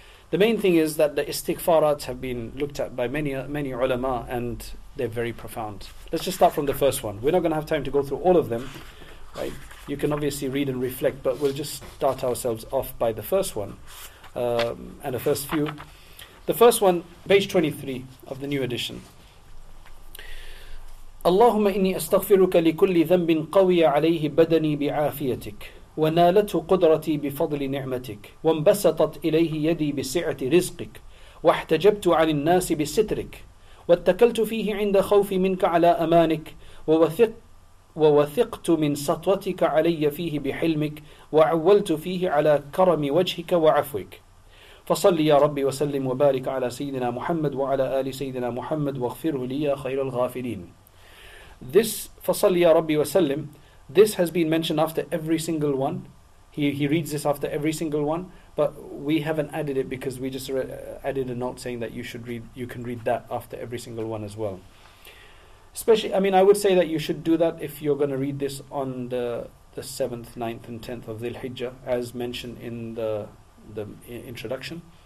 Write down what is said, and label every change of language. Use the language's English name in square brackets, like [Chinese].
[English] The main thing is that the istighfarat have been looked at by many ulama, and they're very profound. Let's just start from the first one. We're not going to have time to go through all of them, right? You can obviously read and reflect, but we'll just start ourselves off by the first one, and the first few. The first one, page 23 of the new edition. [Arabic] اللهم إني أستغفرك لكل ذنب قوي عليه بدني بعافيتك ونالت قدرتي بفضل نعمتك وانبسطت إليه يدي بسعة رزقك واحتجبت عن الناس بسترك واتكلت فيه عند خوفي منك على أمانك ووثقت من سطوتك علي فيه بحلمك وعولت فيه على كرم وجهك وعفوك فصل يا ربي وسلم وبارك على سيدنا محمد وعلى آل سيدنا محمد واغفره لي يا خير الغافلين. [English] This Fasalli Ya Rabbi Wasallim, this has been mentioned after every single one. He reads this after every single one, but we haven't added it because we just added a note saying that you can read that after every single one as well. Especially, I mean, I would say that you should do that if you're going to read this on the 7th, 9th, and 10th of Dhul-Hijjah, as mentioned in the introduction.